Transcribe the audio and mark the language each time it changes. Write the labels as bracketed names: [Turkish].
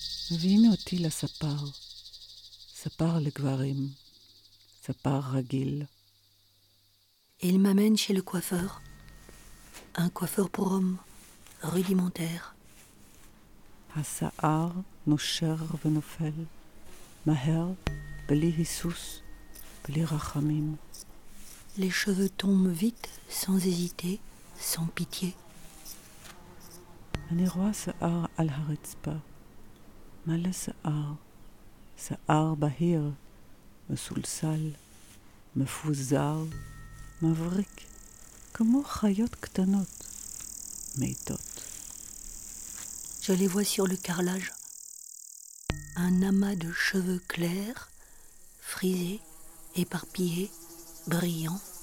[Hebrew] מביאים אותי לספר, ספר לגברים, ספר רגיל. [French] Il m'amène chez le coiffeur, un coiffeur pour homme, rudimentaire. [Hebrew] השער נושר ונופל, מהר, בלי היסוס, בלי רחמים. [French] Les cheveux tombent vite, sans hésiter, sans pitié. [Hebrew] אני רואה שער על הרצפה. מלא שער, שער בהיר, מסולסל, מפוזר, מבריק, כמו חיות קטנות, מיתות. [French] Je les vois sur le carrelage. Un amas de cheveux clairs, frisés, éparpillés, brillants.